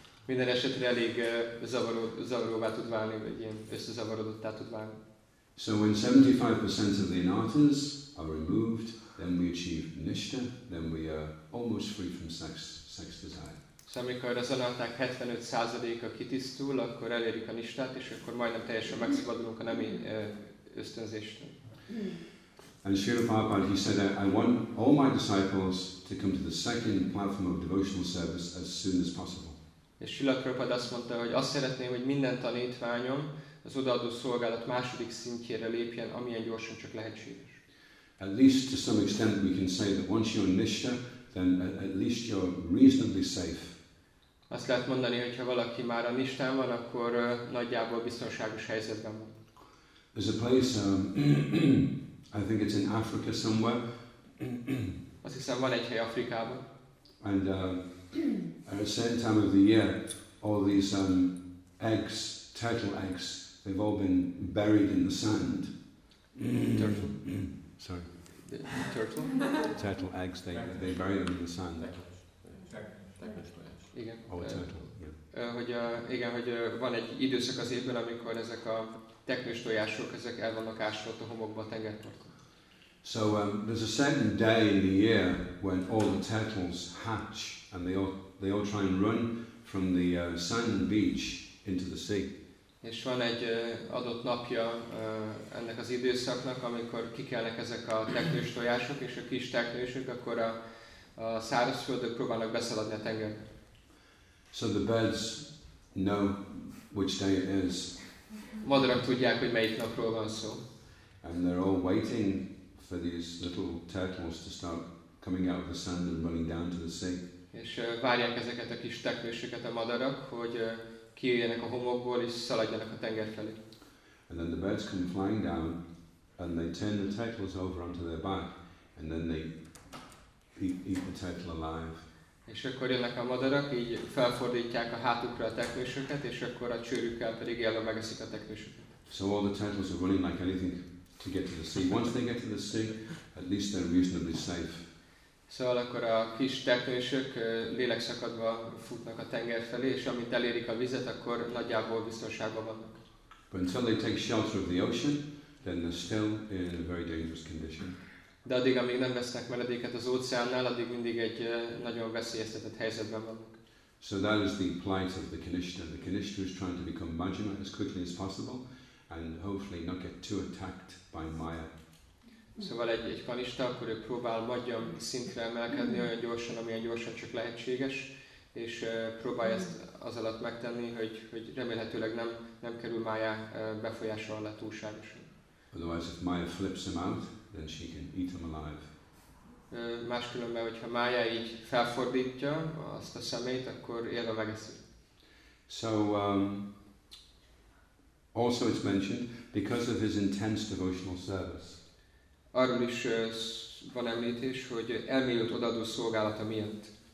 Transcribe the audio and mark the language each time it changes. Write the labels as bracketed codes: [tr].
[hu] Minden esetre elég zavaróvá tud válni, vagy ilyen összezavarodottá tud válni. [en] So when 75% of the anattas are removed, then we achieve nishta, then we are almost free from sex desire. [hu] So, amikor az anatták 75%-a kitisztul, akkor elérjük a nishtát, és akkor majdnem teljesen megszabadulunk a nemi ösztönzéstől. [en] And Srila Prabhupada, he said, I want all my disciples to come to the second platform of devotional service as soon as possible. [hu] És Srila Prabhupada azt mondta, hogy azt szeretném, hogy minden tanítványom az odaadó szolgálat második szintjére lépjen, amilyen gyorsan csak lehetséges. [en] At least to some extent we can say that once you're nishta, then at least you're reasonably safe. [hu] Azt lehet mondani, hogy ha valaki már a nishtán van, akkor nagyjából biztonságos helyzetben van. [en] There's a place, I think it's in Africa somewhere. [hu] Azt hiszem, van egy hely Afrikában. [en] And at a certain time of the year, all these eggs, turtle eggs, they've all been buried in the sand. Turtle. Sorry. Turtle? Turtle eggs, they bury them in the sand. Turtle. Oh, a turtle. [hu] Hogy van egy időszak az évben, amikor ezek a teknős tojások, ezek el vannak ásva a homokba, a tengerparton. [en] So there's a certain day in the year when all the turtles hatch and they all try and run from the sand beach into the sea. [hu] És van egy adott napja ennek az időszaknak, amikor kikelnek ezek a teknős tojások és a kis teknősök, akkor a szárazföldön próbálnak beszaladni a tengerbe. [en] So the birds know which day it is. [hu] Madarak tudják, hogy melyik napról van szó. [en] And they're all waiting for these little turtles to start coming out of the sand and running down to the sea. [hu] És várják ezeket a kis teknősöket, a madarak, hogy kijöjjenek a homokból és szaladjanak a tenger felé. [en] And then the birds come flying down and they turn the turtles over onto their back and then they eat the turtle alive. [hu] És akkor jönnek a madarak, így felfordítják a hátukra a teknősöket, és akkor a csőrükkel pedig élve megeszik a teknősöket. [en] So all the turtles are running like anything to get to the sea. Once they get to the sea, at least they're reasonably safe. [hu] Szóval akkor a kis teknősök lélekszakadva futnak a tenger felé, és amint elérik a vizet, akkor nagyjából biztonságban vannak. [en] But until they take shelter of the ocean, then they're still in a very dangerous condition. [hu] De addig, amíg nem vesznek menedéket az óceánnál, addig mindig egy nagyon veszélyeztetett helyzetben vannak. [en] So that is the plight of the Kanishta. The Kanishta is trying to become Majjhima as quickly as possible, and hopefully not get too attacked by Maya. [hu] Szóval egy panista, akkor ő próbál magyam szintre emelkedni olyan gyorsan, amilyen gyorsan csak lehetséges, és próbálja ezt az alatt megtenni, hogy remélhetőleg nem kerül Maya befolyása alá túlságosan. [en] Otherwise, if Maya flips him out, then she can eat him alive. [hu] Máskülönben, hogyha Maya így felfordítja azt a szemét, akkor élve megeszi. [en] So, also it's mentioned, because of his intense devotional service. [hu] Arról is van említés, hogy elmélyült odaadó szolgálata miatt.